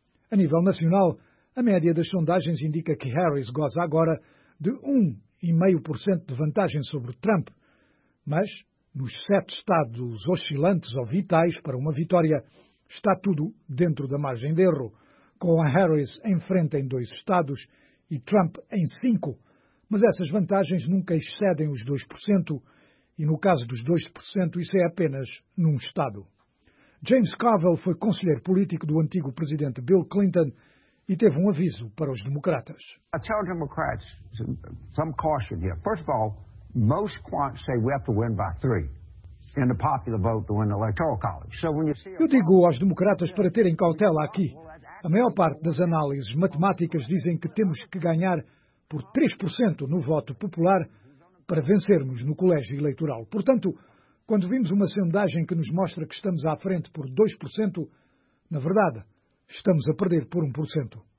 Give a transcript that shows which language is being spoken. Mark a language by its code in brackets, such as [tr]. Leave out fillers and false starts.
[pt] A nível nacional, a média das sondagens indica que Harris goza agora de 1,5% de vantagem sobre Trump, mas nos 7 estados oscilantes ou vitais para uma vitória, está tudo dentro da margem de erro, com a Harris em frente em 2 estados e Trump em 5, mas essas vantagens nunca excedem os 2%, e no caso dos 2%, isso é apenas num estado. James Carville foi conselheiro político do antigo presidente Bill Clinton e teve um aviso para os democratas. [en] I tell Democrats some caution here. First of all, most quants say we have to win by 3 in the popular vote to win the electoral college. So when you see, [pt] eu digo aos democratas para terem cautela aqui. A maior parte das análises matemáticas dizem que temos que ganhar por 3% no voto popular para vencermos no colégio eleitoral. Portanto, quando vimos uma sondagem que nos mostra que estamos à frente por 2%, na verdade, estamos a perder por 1%.